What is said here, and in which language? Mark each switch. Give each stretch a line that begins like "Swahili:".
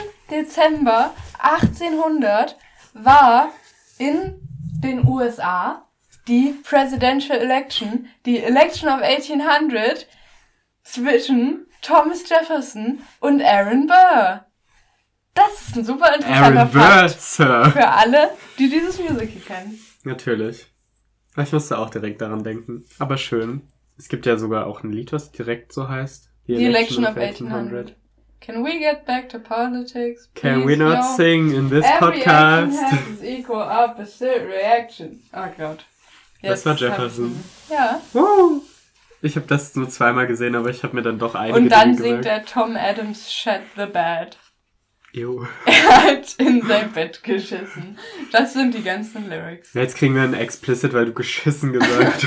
German: Dezember 1800 war in den USA die Presidential Election, die Election of 1800 zwischen Thomas Jefferson und Aaron Burr. Das ist ein super interessanter Fakt für alle, die dieses Musical kennen. Natürlich. Ich musste auch direkt daran denken. Aber schön. Es gibt ja sogar auch ein Lied, was direkt so heißt.
English: The Election of 1800. Can we get back to politics? Please? Can we not sing in this every podcast? Every action has its equal opposite reaction.
German: Oh Gott. Yes, das war Jefferson. Ja. Ich habe das nur zweimal gesehen, aber ich habe mir dann doch einige Dinge gemerkt. Und dann singt er Tom Adams' Shed the Bed. Jo. Er hat in sein Bett geschissen. Das sind die ganzen Lyrics. Jetzt kriegen wir einen Explicit, weil du geschissen gesagt